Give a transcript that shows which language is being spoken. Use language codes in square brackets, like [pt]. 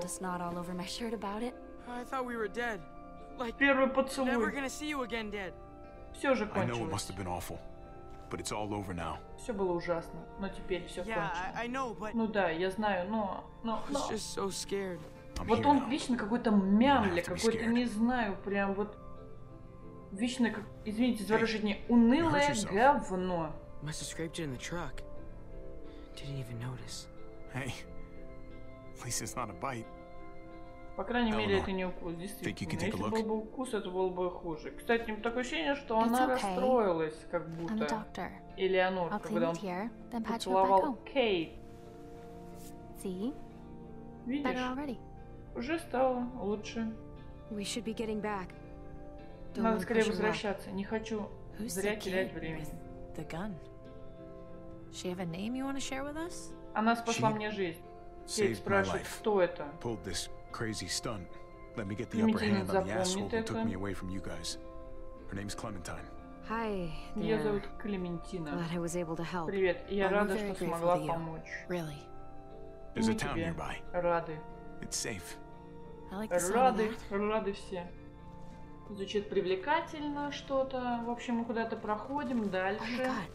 [en] to snot all over my shirt about it. I thought we were dead. Like, never gonna see you again, dead. [ru] Все уже кончилось. [en] I know it must have been awful, but it's all over now. [ru] Все было ужасно, но теперь все кончено. [en] Yeah, I know, but... [ru] Ну да, я знаю, но... Но... [en] I was just so scared. [ru] Вот он вечно какой-то мямля, какой-то, не знаю, прям вот... Вечно, как, извините за выражение, унылое говно. [en] Must have scraped it in the truck. Didn't even notice. Hey, at least it's not a bite. [ru] По крайней мере, это не укус, действительно. Если был бы укус, это было бы хуже. Кстати, у меня такое ощущение, что она расстроилась, как будто. Элеонор, когда он поцеловал Кейт. Видишь? Уже стало лучше. [en] We should be getting back. [ru] Надо скорее возвращаться. Не хочу зря терять времени. [en] She have a name you want to share with us? [ru] Она спасла мне жизнь. Кейт спрашивает, кто это? [en] Pulled this crazy stunt. Let me get the upper hand on the asshole who took me away from you guys. Her name's Clementine. Hi. [ru] Её зовут Клементина. [en] Glad I was able to help. [ru] Привет. Я рада, что смогла помочь. [en] Really? There's a town nearby. [ru] Рады. [en] It's safe. I like the sound of that. [ru] Рады все. Звучит привлекательно что-то. В общем, мы куда-то проходим дальше.